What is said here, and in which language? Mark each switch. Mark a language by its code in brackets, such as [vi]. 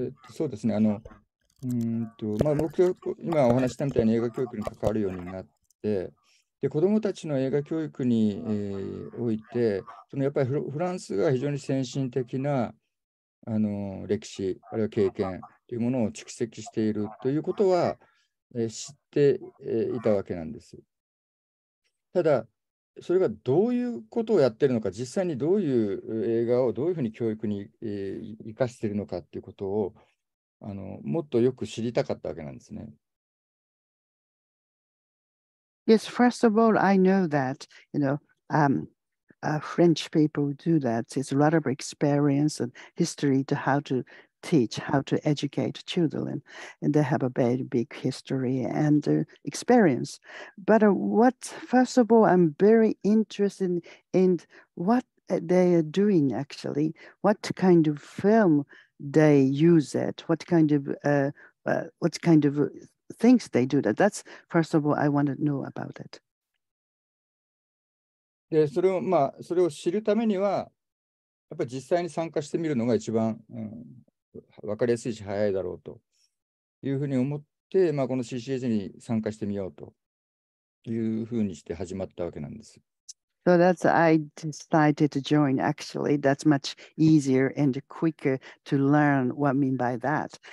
[ja] そうですね、まあ、僕と今お話したみたいに映画教育に関わるようになって、で子どもたちの映画教育に、おいて、そのやっぱりフランスが非常に先進的な歴史、あるいは経験というものを蓄積しているということは、知っていたわけなんです。ただそれがどういうことをやってるのか、実際にどういう映画をどういうふうに教育に、生かしているのかっていうことをもっとよく知りたかったわけなんですね。 [en] Yes, first of all, I know that, you know, French people do that. It's a lot of experience and history to how to teach, how to educate children. And they have a very big history and experience. But first of all, I'm very interested in what they are doing actually, what kind of film they use it, what kind of things they do that. That's first of all, I want to know about it. [ja] で、それを、まあ、それを知るためには、やっぱり実際に参加してみるのが一番、分かりやすいし早いだろうというふうに思って、まあ、この CCAJ に参加してみようというふうにして始まったわけなんです。 [en] So that's I decided to join actually. That's much easier and quicker to learn what I mean by that.